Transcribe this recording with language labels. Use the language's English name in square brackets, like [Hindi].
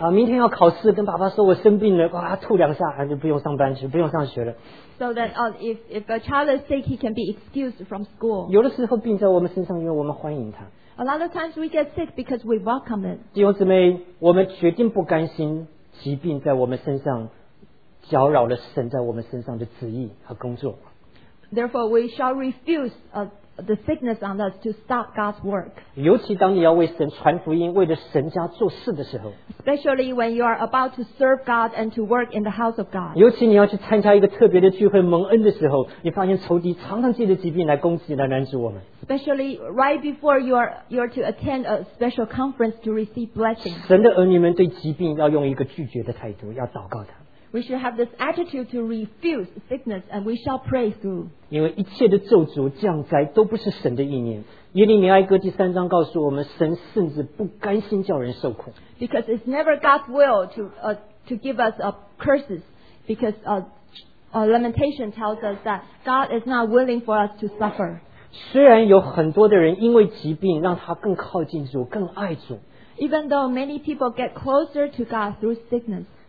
[Chinese] 明天要考试, 跟爸爸说我生病了, 哇, 吐两下, 就不用上班, 不用上学了。 [English] So that if a child is sick, he can be excused from school. [Chinese] 有的时候病在我们身上, 因为我们欢迎他。 [English] A lot of times we get sick because we welcome it. [Chinese] 弟兄姊妹, 我们决定不甘心疾病在我们身上, 搅扰了神在我们身上的旨意和工作。 [English] Therefore, we shall refuse the sickness on us to stop God's work. [Chinese] 尤其当你要为神传福音, 为了神家做事的时候, [English] especially when you are about to serve God and to work in the house of God. [Chinese] 尤其你要去参加一个特别的聚会, 蒙恩的时候, 你发现仇敌常常借着疾病来攻击来拦阻我们。 [English] Especially right before you are to attend a special conference to receive blessings. [Chinese] 神的儿女们对疾病要用一个拒绝的态度, 要祷告他。 [English] We should have this attitude to refuse sickness and we shall pray through. [Chinese] 因为一切的咒诅降灾都不是神的意念。耶利米哀歌第三章告诉我们, 神甚至不甘心叫人受苦。 [English] Because it's never God's will to give us curses, because Lamentation tells us that God is not willing for us to suffer. [Chinese] 虽然有很多的人因为疾病让他更靠近主, 更爱主。 [English] Even though many people get closer to God through sickness,